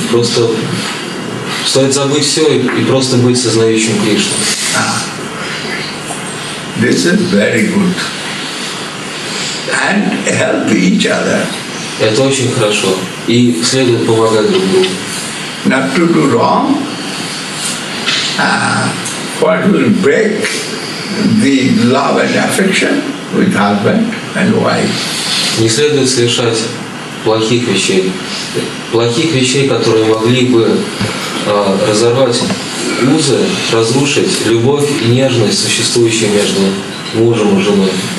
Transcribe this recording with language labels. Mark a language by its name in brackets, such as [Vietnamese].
[Russian] Просто стоит забыть все и просто быть сознающим Кришну. [English] This is very good. And help each other. [Russian] Это очень хорошо. И следует помогать друг другу. [English] Not to do wrong. What will break the love and affection with husband and wife? [Russian] Не следует совершать плохих вещей. Плохих вещей, которые могли бы разорвать узы, разрушить любовь и нежность, существующие между мужем и женой.